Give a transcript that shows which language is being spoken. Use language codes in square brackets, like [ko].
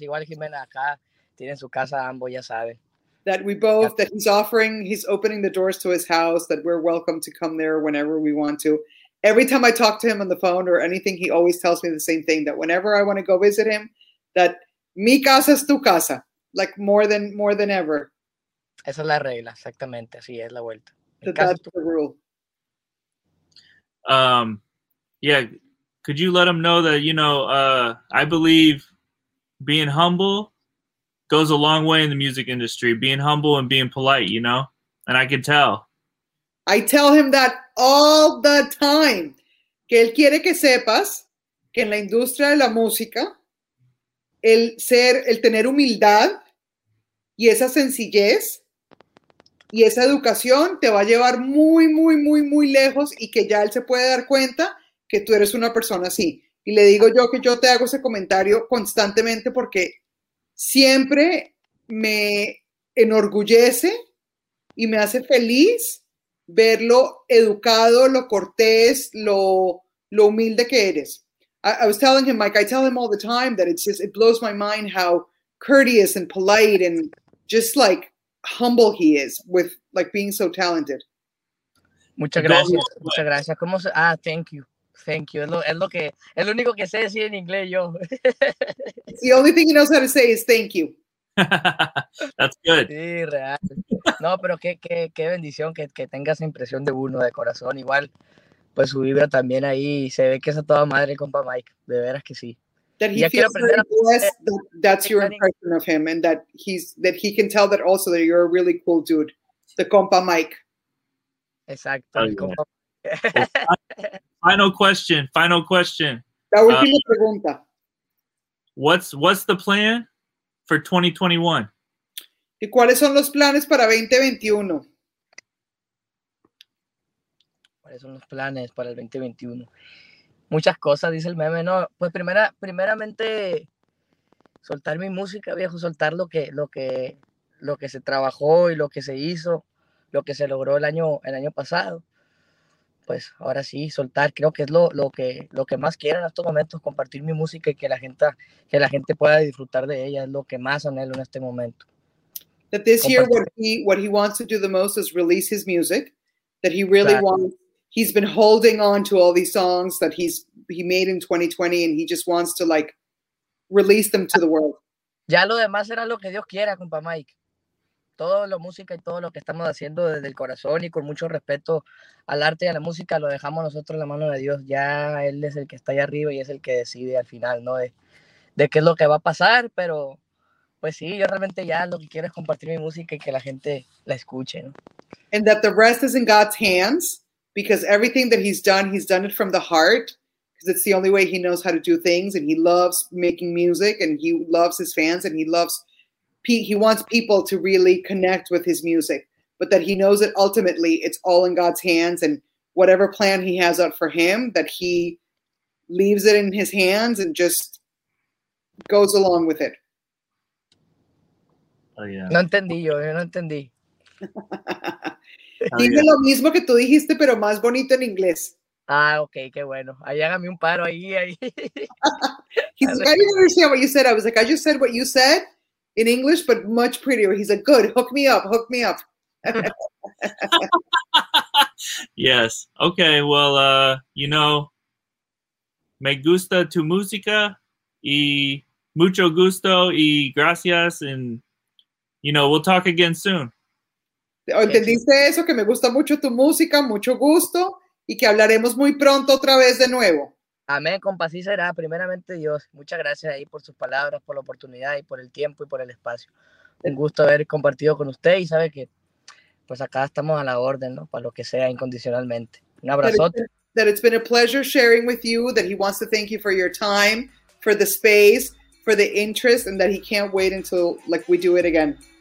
[es] Igual Jimena acá tiene su casa, ambos ya saben. [en] That we both, that he's opening the doors to his house, that we're welcome to come there whenever we want to. Every time I talk to him on the phone or anything, he always tells me the same thing, that whenever I want to go visit him, that [es] mi casa es tu casa, [en] like more than ever. [es] Esa es la regla, exactamente, así es la vuelta. [en] That's the rule. Could you let him know that, you know, I believe being humble goes a long way in the music industry, being humble and being polite, you know? And I can tell. I tell him that all the time. [es] Que él quiere que sepas que en la industria de la música, el tener humildad y esa sencillez y esa educación te va a llevar muy, muy, muy, muy lejos, y que ya él se puede dar cuenta que tú eres una persona así. Y le digo yo que yo te hago ese comentario constantemente porque siempre me enorgullece y me hace feliz verlo educado, lo cortés, lo humilde que eres. [en] I was telling him, Mike, I tell him all the time that it blows my mind how courteous and polite and just like humble he is with like being so talented. [es] Muchas gracias. ¿Cómo se? [en] Thank you. [es] Es lo único que sé decir en inglés yo. [en] It's the only thing he knows how to say is thank you. That's good. [es] Sí, real. No, pero qué bendición que tenga esa impresión de uno de corazón. Igual pues su vibra también ahí, se ve que es a toda madre, compa Mike, de veras que sí. [en] That he feels very blessed, that's your impression of him, and that he's, that he can tell that also that you're a really cool dude, the compa Mike. Exacto. Oh, yeah. final question. [es] La última pregunta. [en] What's the plan for 2021? [es] ¿Y cuáles son los planes para 2021? ¿Cuáles son los planes para el 2021? Muchas cosas, dice el meme, ¿no? Pues primeramente, soltar mi música, viejo, soltar lo que se trabajó y lo que se hizo, lo que se logró el año pasado. Pues ahora sí, soltar, creo que es lo que más quiero en estos momentos, compartir mi música y que la gente pueda disfrutar de ella, es lo que más anhelo en este momento. [en] That this compartir. Year, what he wants to do the most is release his music, that he really claro. Wants. He's been holding on to all these songs that he made in 2020, and he just wants to like release them to the world. [es] Ya lo demás será lo que Dios quiera, compa Mike. Todo lo música y todo lo que estamos haciendo desde el corazón y con mucho respeto al arte y a la música lo dejamos nosotros en la mano de Dios. Ya él es el que está ahí arriba y es el que decide al final, ¿no? De qué es lo que va a pasar, pero pues sí, yo realmente ya lo que quiero es compartir mi música y que la gente la escuche, ¿no? [en] And that the rest is in God's hands. Because everything that he's done it from the heart, because it's the only way he knows how to do things, and he loves making music, and he loves his fans, and he wants people to really connect with his music, but that he knows that ultimately it's all in God's hands, and whatever plan he has out for him, that he leaves it in his hands and just goes along with it. Oh, yeah. [es] No entendí yo, no entendí. Dice lo mismo que tú dijiste, pero más bonito en inglés. Ah, ok, qué bueno. Ahí hágame un paro ahí. [en] He's like, I didn't understand what you said. I was like, I just said what you said in English, but much prettier. He's like, good, hook me up. Yes. Okay, well, you know, [es] me gusta tu música y mucho gusto y gracias. [en] And, you know, we'll talk again soon. [es] ¿Entendiste eso? Que me gusta mucho tu música, mucho gusto, y que hablaremos muy pronto otra vez de nuevo. Amén, compa, así será. Primeramente, Dios, muchas gracias ahí por sus palabras, por la oportunidad y por el tiempo y por el espacio. Un gusto haber compartido con usted y sabe que, pues acá estamos a la orden, ¿no? Para lo que sea, incondicionalmente. Un abrazote. [en] That it's been a pleasure sharing with you, that he wants to thank you for your time, for the space, for the interest, and that he can't wait until, like, we do it again.